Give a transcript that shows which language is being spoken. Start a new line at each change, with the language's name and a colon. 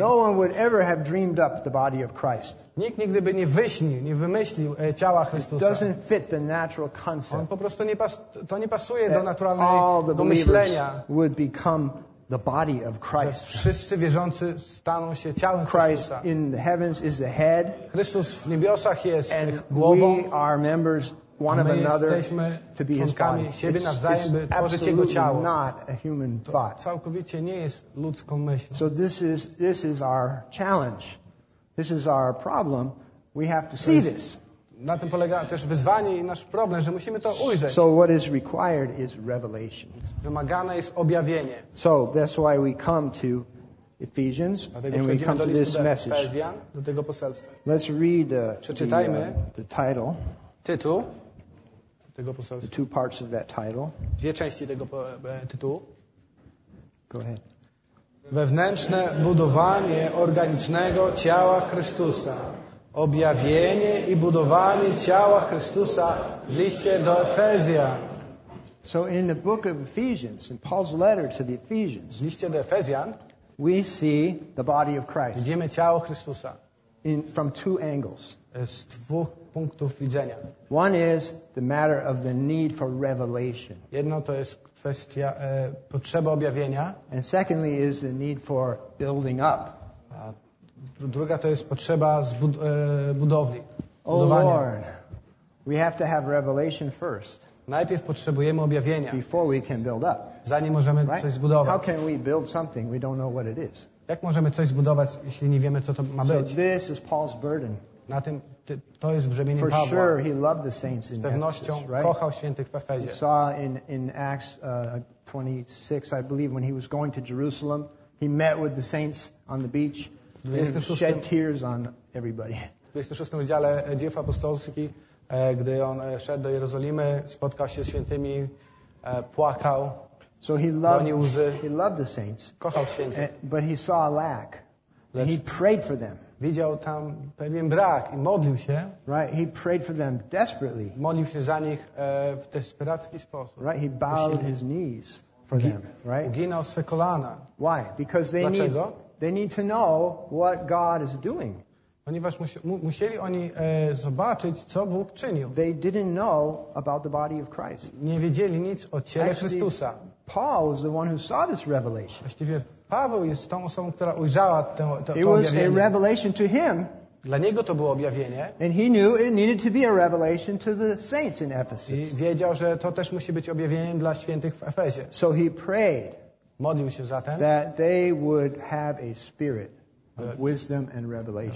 English: No one would ever have dreamed up the body of Christ.
Polish: Nikt nigdy by nie wyśnił, nie wymyślił ciała Chrystusa.
English: It doesn't fit the natural concept.
Polish: On po prostu nie pasuje. Nie pasuje do naturalnego myślenia.
English: Would become the body of Christ.
Polish: Wszyscy wierzący staną się ciałem
English: Christ
Polish: Chrystusa.
English: In the heavens is the head.
Polish: Chrystus w niebiosach jest
English: and
Polish: głową.
English: We are members one of another to be his body.
Polish: Siebie nawzajem, by tworzyć jego ciało.
English: Not a human thought.
Polish: Całkowicie nie jest ludzką myślą.
English: So this is our challenge. This is our problem. We have to see this.
Polish: Na tym polega też wyzwanie i nasz problem, że musimy to ujrzeć.
English: So what is required is revelation.
Polish: Wymagane jest objawienie.
English: So that's why we come to Ephesians and we come to this message.
Polish: Efezjan, do tego poselstwa.
English: Let's read the title.
Polish: Tytuł tego poselstwa.
English: The two parts of that title.
Polish: Dwie części tego tytułu.
English: Go ahead.
Polish: Wewnętrzne budowanie organicznego ciała Chrystusa. Objawienie i budowanie ciała Chrystusa w liście do Efezjan.
English: So in the book of Ephesians, in Paul's letter to the Ephesians,
Polish: w liście do Efezjan,
English: we see the body of Christ.
Polish: Widzimy ciało Chrystusa.
English: From two angles.
Polish: Z dwóch punktów widzenia.
English: One is the matter of the need for revelation.
Polish: Jedno to jest kwestia potrzeba objawienia.
English: And secondly is the need for building up.
Polish: Druga to jest potrzeba budowli. Budowania.
English: Oh Lord, we have to have revelation first.
Polish: Najpierw potrzebujemy objawienia.
English: Before we can build up.
Polish: Zanim możemy coś zbudować.
English: How can we build something we don't know what it is?
Polish: Jak możemy coś zbudować, jeśli nie wiemy, co to ma być?
English: So this is Paul's burden.
Polish: Na tym to jest brzemienie
English: For
Polish: Pawła.
English: Sure he loved the saints in
Polish: Z pewnością
English: Ephesus, right?
Polish: Kochał świętych w Efezie.
English: He saw in Acts 26, I believe, when he was going to Jerusalem, he met with the saints on the beach. Shed tears on everybody.
Polish: W 26 rozdziale Dziejów Apostolskich, gdy on szedł do Jerozolimy, spotkał się z świętymi, płakał, bronił łzy.
English: He loved the saints.
Polish: Kochał świętych.
English: But he saw a lack. And he prayed for them.
Polish: Widział tam pewien brak i modlił się.
English: Right, he prayed for them desperately.
Polish: Modlił się za nich w desperacki sposób.
English: Right, he bowed his knees for them. Right.
Polish: Uginał swe kolana.
English: Why? Because they
Polish: Dlaczego?
English: Need. They need to know what God is doing.
Polish: Ponieważ musieli oni zobaczyć, co Bóg czynił.
English: They didn't know about the body of Christ.
Polish: Nie wiedzieli nic o ciele
English: Actually,
Polish: Chrystusa.
English: Paul was the one who saw this revelation.
Polish: Właściwie Paweł jest tą osobą, która ujrzała to objawienie.
English: It was a revelation to him.
Polish: Dla niego to było objawienie.
English: And he knew it needed to be a revelation to the saints in Ephesus.
Polish: I wiedział, że to też musi być objawieniem dla świętych w Efezie.
English: So he prayed.
Polish: Modlił się zatem,
English: that they would have a spirit of wisdom and revelation.